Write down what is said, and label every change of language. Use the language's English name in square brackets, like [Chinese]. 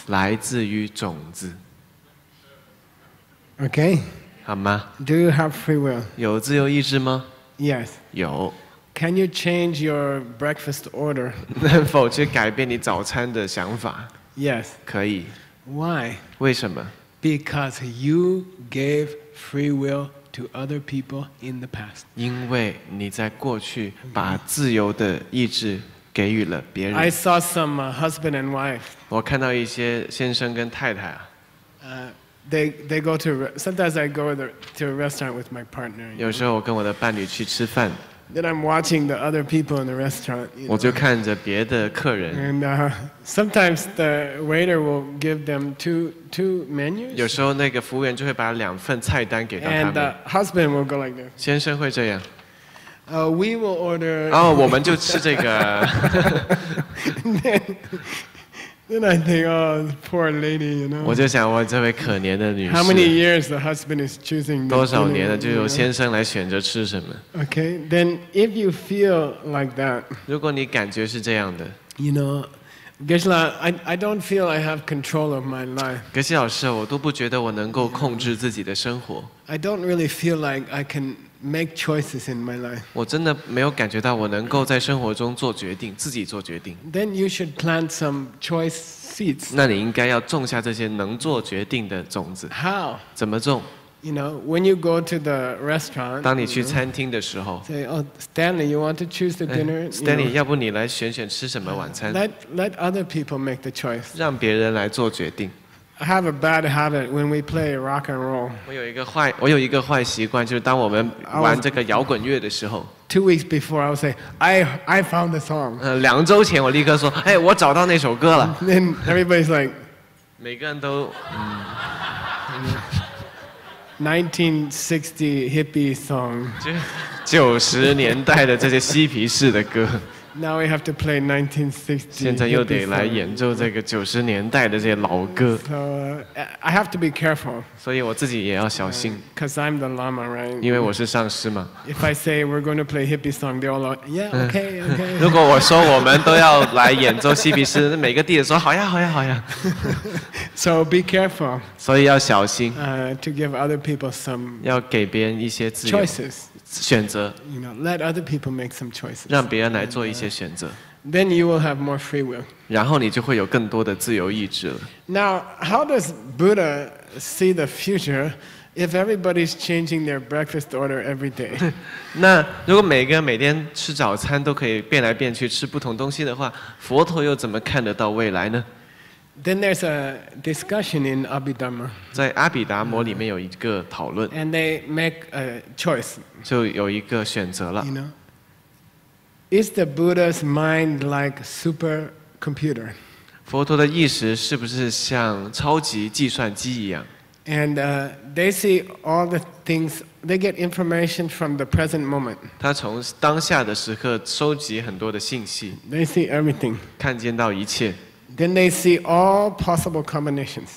[Chinese] 来自于种子。 [English] Okay. [Chinese] 好吗 [English] ？Do you have free will? [Chinese] 有自由意志吗 [English] ？Yes. [Chinese] 有。 [English] Can you change your breakfast order? [Chinese] 能否去改变你早餐的想法 [English] ？Yes. [Chinese] 可以。 [English] Why? [Chinese] 为什么 [English] ？Because you gave free will to other people in the past. [Chinese] 因为你在过去把自由的意志。给予了别人。 [English] I saw some husband and wife. [Chinese] 我看到一些先生跟太太啊。 [English] They go to sometimes I go to a restaurant with my partner. [Chinese] 有时候我跟我的伴侣去吃饭。 [English] Then I'm watching the other people in the restaurant. [Chinese] 我就看着别的客人。 [English] And sometimes the waiter will give them two menus. [Chinese] 有时候那个服务员就会把两份菜单给到他们。 [English] And the husband will go like this. [Chinese] 先生会这样。 [English] We will order. [Chinese] 哦，我们就吃这个。 [English] Then I think, oh, poor lady, you know. [Chinese] 我就想，哇，这位可怜的女士。 [English] How many years the husband is choosing? [Chinese] 多少年了，就由先生来选择吃什么 [English] ？Okay, then if you feel like that. [Chinese] 如果你感觉是这样的。 [English] You know, Geshe-la, I don't feel I have control of my life. [Chinese] Geshe 老师，我都不觉得我能够控制自己的生活。 [English] I don't really feel like I can make choices in my life. [Chinese] 我真的没有感觉到我能够在生活中做决定，自己做决定。 [English] Then you should plant some choice seeds. [Chinese] 那你应该要种下这些能做决定的种子。 [English] How? [Chinese] 怎么种？ [English] You know, when you go to the restaurant, [Chinese] 当你去餐厅的时候 [English] say, oh, Stanley, you want to choose the dinner? [Chinese] Stanley, 要不你来选选吃什么晚餐 [English] Let other people make the choice. [Chinese] 让别人来做决定 [English] I have a bad habit when we play rock and roll. [Chinese] 我有一个坏习惯，就是当我们玩这个摇滚乐的时候 [English] 2 weeks before, I'll say, I found the song. [Chinese] 两周前我立刻说，哎，我找到那首歌了。 [English] Then everybody's like, [Chinese] 每个人都 [English] 1960 hippie song. [Chinese] 九十年代的这些嬉皮士的歌。 [English] Now we have to play 1960. [Chinese] 现在又得来演奏这个九十年代的这些老歌。 [English] So I have to be careful. [Chinese] 所以我自己也要小心。 [English] Because I'm the lama, right? [Chinese] 因为我是上师嘛。 [English] If I say we're going to play hippie song, they're all like, yeah, okay. [Chinese] 如果我说我们都要来演奏嬉皮士，每个弟子说好呀，好呀，好呀。 [English] So be careful. [Chinese] 所以要小心。 [English] To give other people some [Chinese] 要给别人一些自由 [English] choices. [Chinese] 选择 [English] you know, let other people make some choices, [Chinese] 让别人来做一些选择 [English] then you will have more free will. [Chinese] 然后你就会有更多的自由意志了 [English] Now, how does Buddha see the future if everybody's changing their breakfast order every day? [Chinese] 那如果每个每天吃早餐都可以变来变去吃不同东西的话佛陀又怎么看得到未来呢 [English] Then there's a discussion in Abhidhamma. [Chinese] 在阿比达摩里面有一个讨论 [English] And they make a choice. [Chinese] 就有一个选择了。 [English] You know, is the Buddha's mind like supercomputer? [Chinese] 佛陀的意识是不是像超级计算机一样 [English] ？And they see all the things. They get information from the present moment. [Chinese] 他从当下的时刻收集很多的信息。 [English] They see everything. [Chinese] 看见到一切。 [English] Then they see all possible combinations.